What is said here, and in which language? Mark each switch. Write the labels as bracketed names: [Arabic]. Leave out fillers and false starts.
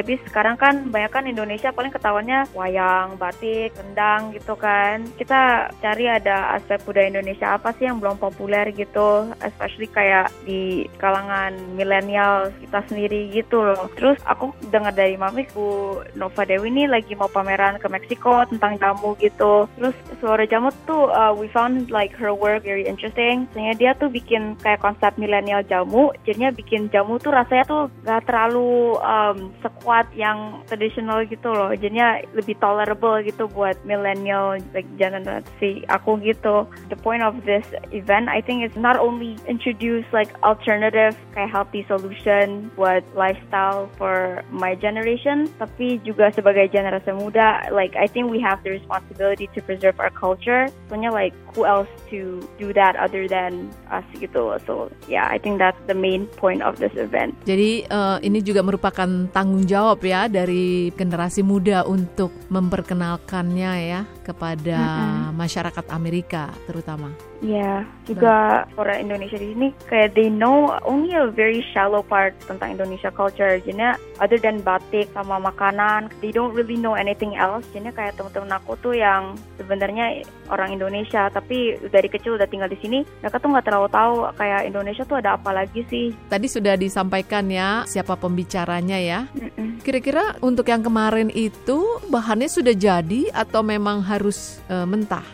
[Indonesian] Habis sekarang kan banyak kan Indonesia paling ketahuannya wayang, batik, rendang gitu kan. Kita cari ada aspek budaya Indonesia apa sih yang belum populer gitu. Especially kayak di kalangan milenial kita sendiri gitu loh. Terus aku dengar dari mamiku Nova Dewi ini lagi mau pameran ke Meksiko tentang jamu gitu. [English] Terus Suara Jamu tuh we found like her work very interesting. [Indonesian] Soalnya dia tuh bikin kayak konsep milenial jamu. Jadinya bikin jamu tuh rasanya tuh gak terlalu sekuat yang tradisional gitu loh. Jadinya lebih tolerable gitu buat milenial like generasi aku gitu. [English] The point of this event I think is not only introduce like alternative kayak healthy solution buat lifestyle for my generation, [Indonesian] tapi juga sebagai generasi muda, [English] like I think we have the responsibility to preserve our culture. Soalnya like who else to do that other than us gitu. So yeah, I think that's the main point of this event. [Indonesian] Jadi ini juga merupakan tanggung jawab ya dari generasi muda untuk memperkenalkannya ya kepada masyarakat Amerika terutama. Iya, yeah, juga orang Indonesia di sini kayak [English] they know only a very shallow part [Indonesian] tentang Indonesia culture. [English] Jadi other than batik [Indonesian] sama makanan, [English] they don't really know anything else. [Indonesian] Jadi kayak teman-teman aku tuh yang sebenarnya orang Indonesia tapi dari kecil udah tinggal di sini, mereka tuh enggak terlalu tahu kayak Indonesia tuh ada apa lagi sih. Tadi sudah disampaikan ya siapa pembicaranya ya. Kira-kira untuk yang kemarin itu bahannya sudah jadi atau memang harus mentah?